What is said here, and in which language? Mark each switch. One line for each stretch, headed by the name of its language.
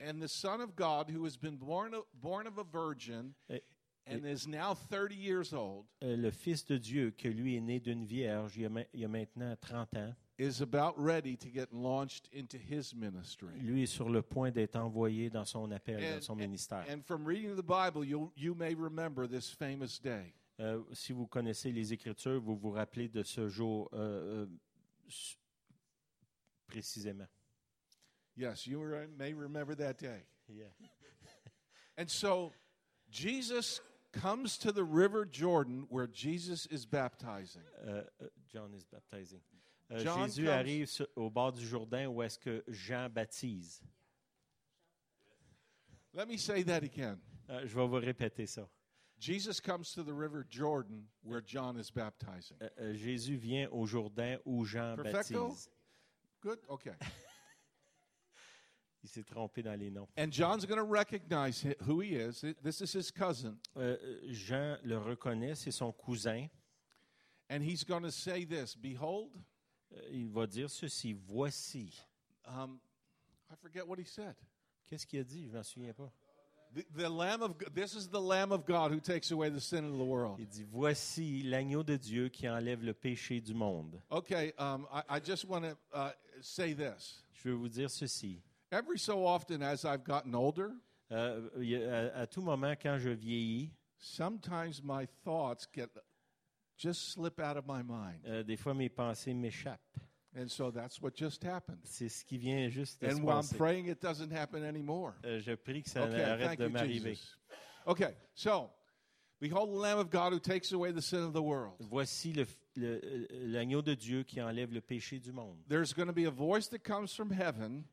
English: And the Son of God, who has been born of a virgin and is now 30 years old,
French: le Fils de Dieu, que lui est né d'une vierge, il a maintenant 30 ans,
English: is about ready to get launched into his ministry.
French: Lui est sur le point d'être envoyé dans son appel, dans son ministère.
English: And from reading the Bible, you may remember this famous day.
French: Si vous connaissez les Écritures, vous vous rappelez de ce jour précisément.
English: Yes, you may remember that day. Yeah. And so, Jesus comes to the River Jordan where Jesus is baptizing. John is baptizing.
French: Jésus arrive au bord du Jourdain où est-ce que Jean baptise.
English: Let me say that again.
French: Je vais vous répéter ça.
English: Jesus comes to the River Jordan where John is baptizing.
French: Jésus vient au Jourdain où Jean
Spanish: Perfecto?
French: Baptise.
English: Good, okay.
French: Il s'est trompé dans les noms.
English: And John's going to recognize who he is. This is his cousin.
French: Jean le reconnaît, c'est son cousin.
English: And he's going to say this, behold.
French: Il va dire ceci, voici.
English: I forget what he said.
French: Qu'est-ce qu'il a dit? Je ne m'en souviens pas.
English: The Lamb of God, this is the Lamb of God who takes away the sin of the world.
French: Il dit, voici l'agneau de Dieu qui enlève le péché du monde.
English: Okay, I just want to say this.
French: Je veux vous dire ceci.
English: Every so often as I've gotten older,
French: à tout moment quand je vieillis,
English: Sometimes my thoughts get just slip out of my mind.
French: Des fois, mes pensées m'échappent.
English: And so that's what just happened.
French: C'est ce qui vient juste de se passer.
English: And I'm praying it doesn't happen anymore.
French: Je prie que ça arrête de m'arriver.
English: Okay, so behold the Lamb of God who takes away the sin of the world.
French: Voici l'agneau de Dieu qui enlève le péché du monde.
English: There's going to be a voice that comes from heaven.